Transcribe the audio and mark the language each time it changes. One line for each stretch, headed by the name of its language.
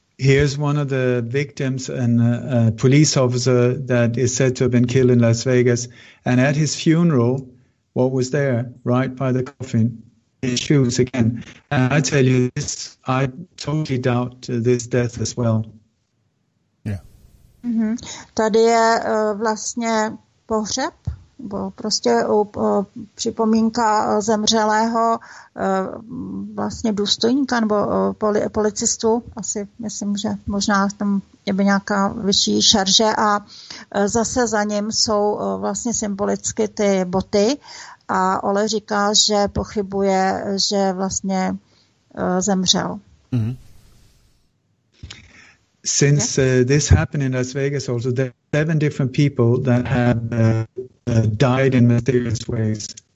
English: Here's one of the victims and a police officer that is said to have been killed in Las Vegas and at his funeral, what was there, right by the coffin? Issues again. And I tell you this, I totally doubt this death as well. Yeah. Mm-hmm.
Czech: Tady je vlastně pohřeb, bo prostě připomínka zemřelého vlastně důstojníka nebo policistu, asi myslím, že možná tam je by nějaká vyšší šarže a zase za ním jsou vlastně symbolicky ty boty. A Ole říká, že pochybuje, že vlastně zemřel. Mm-hmm.
English: Since this happened in Las Vegas also, there are 7 different people that have died in mysterious ways.